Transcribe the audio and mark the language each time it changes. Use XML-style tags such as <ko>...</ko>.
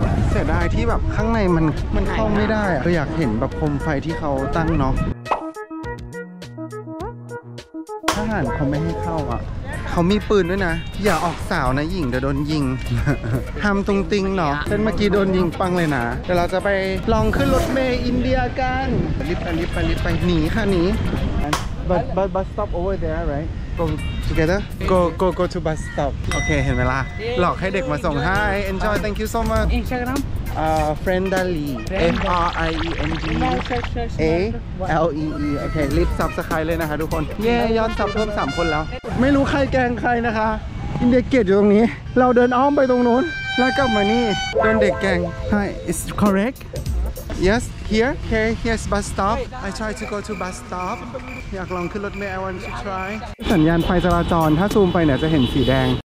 <th>เสียดายที่แบบข้างในมันเข้าไม่ได้อะก็อยากเห็นแบบโคมไฟที่เขาตั้งเนาะทหารเขาไม่ให้เข้าอ่ะเขามีปืนด้วยนะอย่าออกสาวนะหญิงเดี๋ยวโดนยิงห้ามตรงติงเนาะเส้นเมื่อกี้โดนยิงปังเลยนะเดี๋ยวเราจะไปลองขึ้นรถเมล์อินเดียกันรีบไปหนีค่ะหนี</th> <en>but stop over there right go together go to bus stop</en> <th>โอเคเห็นไหมล่ะหลอกให้เด็กมาส่งให้</th> <en>enjoy thank you so much Instagram friendly F R I E N D A L E E</en> <th>โอเครีบ subscribe เลยนะคะทุกคนเย้ยอดซับเพิ่ม3คนแล้วไม่รู้ใครแกงใครนะคะอินเดียเกตอยู่ตรงนี้เราเดินอ้อมไปตรงนู้นแล้วกลับมานี่เป็นเด็กแกง</th> <en>Hi is correct Yes here okay here's bus stop</en> <th>I try to go to bus stop อยากลองขึ้นรถเมล์</th> <en>I want to try</en> <th>สัญญาณไฟจราจรถ้าซูมไปเนี่ยจะเห็นสีแดง</th>